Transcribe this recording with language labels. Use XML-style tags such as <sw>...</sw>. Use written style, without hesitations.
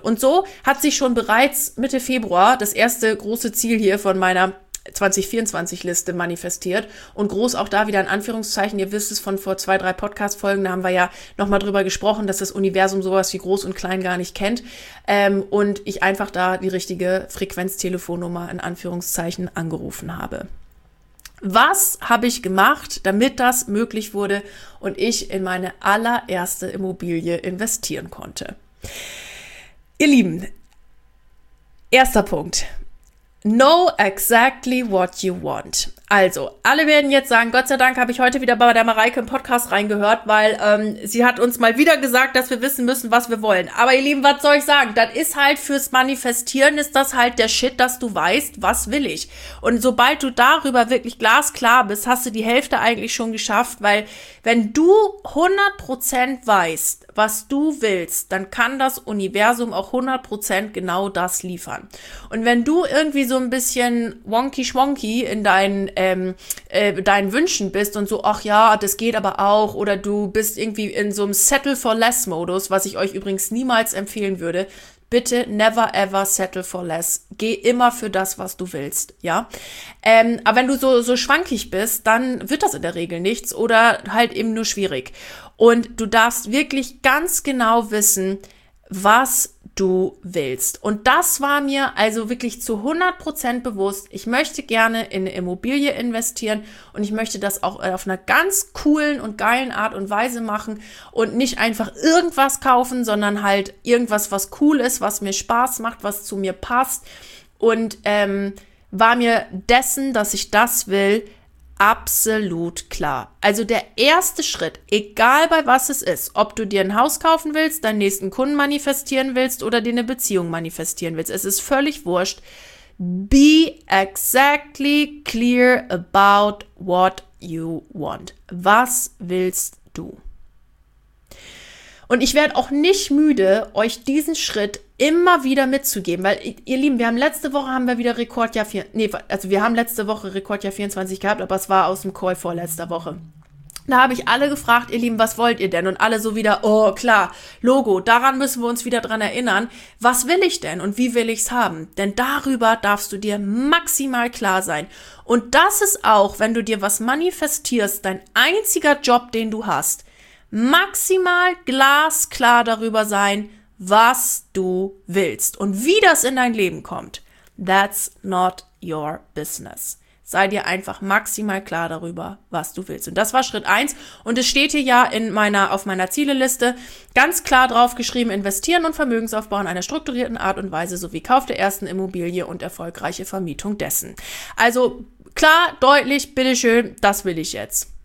<de>Und so hat sich schon bereits Mitte Februar das erste große Ziel hier von meiner 2024-Liste manifestiert und groß auch da wieder in Anführungszeichen, ihr wisst es von vor 2-3 Podcast-Folgen, da haben wir ja nochmal drüber gesprochen, dass das Universum sowas wie groß und klein gar nicht kennt und ich einfach da die richtige Frequenztelefonnummer in Anführungszeichen angerufen habe. Was habe ich gemacht, damit das möglich wurde und ich in meine allererste Immobilie investieren konnte? Ihr Lieben, erster Punkt.</de> <en>Know exactly what you want.</en> <de>Also, alle werden jetzt sagen, Gott sei Dank habe ich heute wieder bei der Mareike im Podcast reingehört, weil sie hat uns mal wieder gesagt, dass wir wissen müssen, was wir wollen. Aber ihr Lieben, was soll ich sagen? Das ist halt fürs Manifestieren, ist das halt der Shit, dass du weißt, was will ich. Und sobald du darüber wirklich glasklar bist, hast du die Hälfte eigentlich schon geschafft, weil wenn du 100% weißt, was du willst, dann kann das Universum auch 100% genau das liefern. Und wenn du irgendwie so ein bisschen wonky-schwonky in deinen Wünschen bist und so, ach ja, das geht aber auch, oder du bist irgendwie in so einem Settle-for-Less-Modus, was ich euch übrigens niemals empfehlen würde,</de> <en>Bitte never ever settle for less.</en> <de>Geh immer für das, was du willst, ja. Aber wenn du so schwankig bist, dann wird das in der Regel nichts oder halt eben nur schwierig. Und du darfst wirklich ganz genau wissen, was du willst. Und das war mir also wirklich zu 100% bewusst. Ich möchte gerne in eine Immobilie investieren und ich möchte das auch auf einer ganz coolen und geilen Art und Weise machen und nicht einfach irgendwas kaufen, sondern halt irgendwas, was cool ist, was mir Spaß macht, was zu mir passt. Und war mir dessen, dass ich das will, absolut klar. Also der erste Schritt, egal bei was es ist, ob du dir ein Haus kaufen willst, deinen nächsten Kunden manifestieren willst oder dir eine Beziehung manifestieren willst, es ist völlig wurscht.</de> <en>Be exactly clear about what you want.</en> <de>Was willst du? Und ich werde auch nicht müde, euch diesen Schritt immer wieder mitzugeben, weil ihr Lieben, wir haben letzte Woche Rekordjahr 24 gehabt, aber es war aus dem Call vorletzter Woche. Da habe ich alle gefragt, ihr Lieben, was wollt ihr denn? Und alle so wieder, oh klar, Logo, daran müssen wir uns wieder dran erinnern. Was will ich denn und wie will ich's haben? Denn darüber darfst du dir maximal klar sein. Und das ist auch, wenn du dir was manifestierst, dein einziger Job, den du hast, maximal glasklar darüber sein, was du willst und wie das in dein Leben kommt.</de> <en>That's not your business.</en> <de>Sei dir einfach maximal klar darüber, was du willst. Und das war Schritt 1. Und es steht hier ja auf meiner Zieleliste ganz klar drauf geschrieben, investieren und Vermögensaufbau in einer strukturierten Art und Weise sowie Kauf der ersten Immobilie und erfolgreiche Vermietung dessen. Also klar, deutlich, bitteschön, das will ich jetzt.</de>